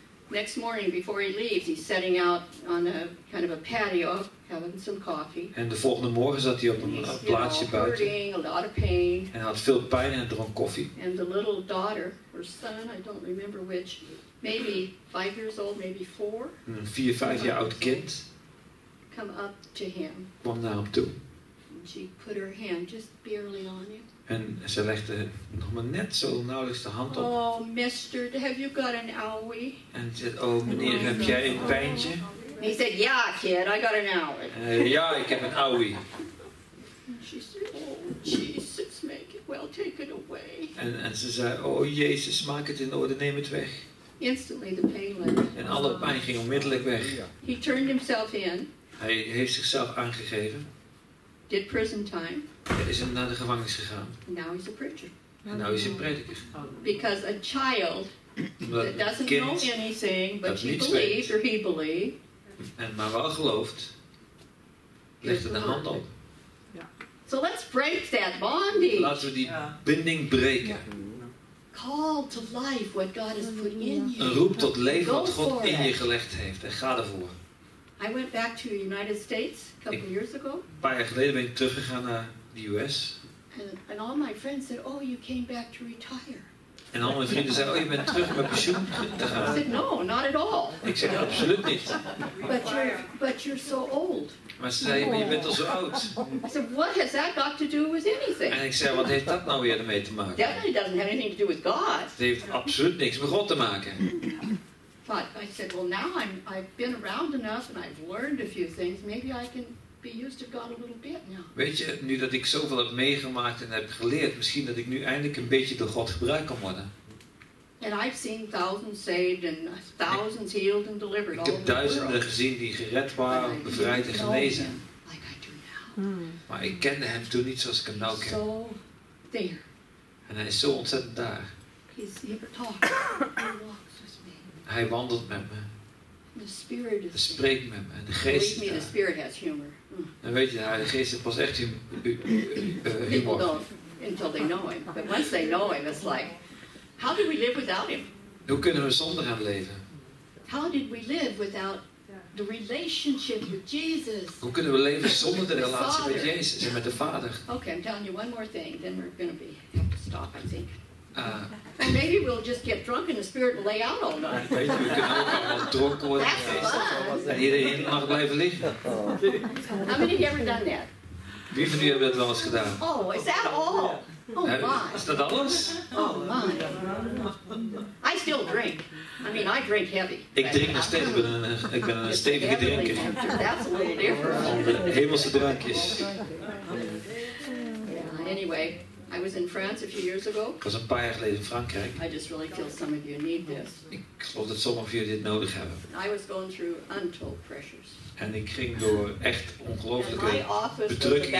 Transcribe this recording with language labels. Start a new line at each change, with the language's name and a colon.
English: Next morning before he leaves, he's setting out on a kind of a patio, having some coffee.
Dutch: En de volgende morgen zat hij op een plaatsje buiten.
English: Hurting, a lot of pain.
Dutch: En had veel pijn en dronk koffie.
English: And the little daughter, or son, I don't remember which, maybe 5 years old, maybe four.
Dutch: Een 4-5 jaar oud kind.
English: Come up to him.
Dutch: Kwam naar hem toe.
English: And she put her hand just barely on him.
Dutch: En ze legde nog maar net zo nauwelijks de hand op.
English: Oh, mister, have you got an owie?
Dutch: En ze zei, oh, meneer, heb jij een pijntje?
English: He said, yeah, kid, I got an owie.
Dutch: Ja, ik heb een owie.
English: And she said, oh, Jesus, make it well, take it away.
Dutch: En ze zei, oh, Jezus, maak het in orde, neem het weg.
English: Instantly the pain left.
Dutch: En alle pijn ging onmiddellijk weg.
English: He turned himself in.
Dutch: Hij heeft zichzelf aangegeven.
English: Did prison time.
Dutch: Hij is naar de gevangenis gegaan.
English: Now he's a preacher.
Dutch: En nu is hij een prediker.
English: Because a child that doesn't know anything, but she believes, or he believes.
Dutch: En maar wel gelooft, legt het de hand op.
English: So let's break that bondage.
Dutch: Laten we die binding breken.
English: Call to life what God has put in you.
Dutch: Een roep tot leven wat God in je gelegd heeft. En ga ervoor.
English: I went back to the United States a couple years ago.
Dutch: Een paar jaar geleden ben ik teruggegaan naar de US.
English: And all my friends said, oh, you came back to retire.
Dutch: En al mijn vrienden zeiden, oh, je bent terug met pensioen te gaan.
English: I said, no, not at all.
Dutch: Ik zei, absoluut niet.
English: But you're so old.
Dutch: Maar ze zeiden, maar je bent al zo oud.
English: I said, what has that got to do with anything?
Dutch: En ik zei, wat heeft dat nou weer ermee te maken?
English: Definitely doesn't have anything to do with God.
Dutch: Het heeft absoluut niks met God te maken.
English: But I said, well, now I've been around enough and I've learned a few things. Maybe I can be used to God a little bit now.
Dutch: Weet je, nu dat ik zoveel heb meegemaakt en heb geleerd, misschien dat ik nu eindelijk een beetje door God gebruikt kan worden.
English: And I've seen thousands saved and thousands healed and delivered.
Dutch: Ik heb duizenden gezien die gered waren, bevrijd en genezen.
English: Like I do now.
Dutch: Maar ik kende hem toen niet zoals ik hem nu ken.
English: So there.
Dutch: En hij is zo ontzettend daar.
English: He's never talked. He walks with me.
Dutch: Hij wandelt met me.
English: The spirit is.
Dutch: Hij spreekt met me. En de geest is daar.
English: The spirit has humor.
Dutch: En weet je, de geest is pas echt humor.
English: People don't until they know him. But once they know him, it's like, how did we live without him?
Dutch: Hoe kunnen we zonder hem leven?
English: How did we live without the relationship with Jesus?
Dutch: Hoe kunnen we leven zonder de relatie met Jezus en met de Vader?
English: Okay, I'm telling you one more thing, then we're going to be have to stop, I think. And maybe we'll just get drunk in the spirit and lay out all night.
Dutch: Weet je, we kunnen ook allemaal dronken worden.
English: That's fun.
Dutch: En iedereen mag blijven liggen.
English: How many of you ever done that?
Dutch: Wie van u hebben dat wel eens gedaan?
English: Oh, is that all? Oh my.
Dutch: Is dat alles?
English: Oh my. I still drink. I mean, I drink heavy.
Dutch: Ik drink nog steeds. Ik ben een stevige drinker.
English: That's a little different.
Dutch: Hemelse drankjes.
English: Yeah, anyway. I was in France a few years ago.
Dutch: Ik was een paar jaar geleden in Frankrijk.
English: I just really feel some of you need this.
Dutch: Ik geloof dat sommigen van jullie dit nodig hebben.
English: I was going through untold pressures.
Dutch: En ik ging door echt ongelooflijke bedrukkingen